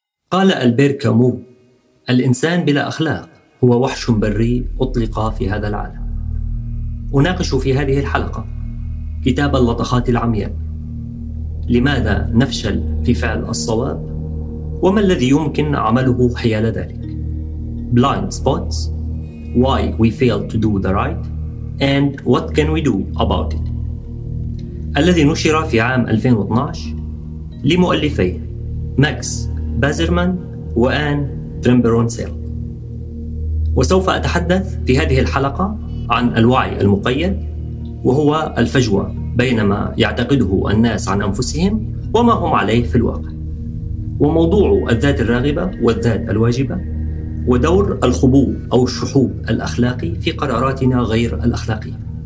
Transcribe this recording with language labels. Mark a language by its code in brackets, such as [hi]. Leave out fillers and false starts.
[ar] قال ألبير كامو: الإنسان بلا أخلاق هو وحش بري أطلق في هذا العالم. أناقش في هذه الحلقة كتاب اللطخات العمياء، لماذا نفشل في فعل الصواب وما الذي يمكن عمله حيال ذلك. [en] Blind spots, why we fail to do the right, and what can we do about it. [ar] الذي نشر في عام 2012 لمؤلفي ماكس بازرمان وآن ترمبرونسيل. وسوف أتحدث في هذه الحلقة عن الوعي المقيد، وهو الفجوة بين ما يعتقده الناس عن أنفسهم وما هم عليه في الواقع، وموضوع الذات الراغبة والذات الواجبة، ودور الخبو أو الشحوب الأخلاقي في قراراتنا غير الأخلاقية.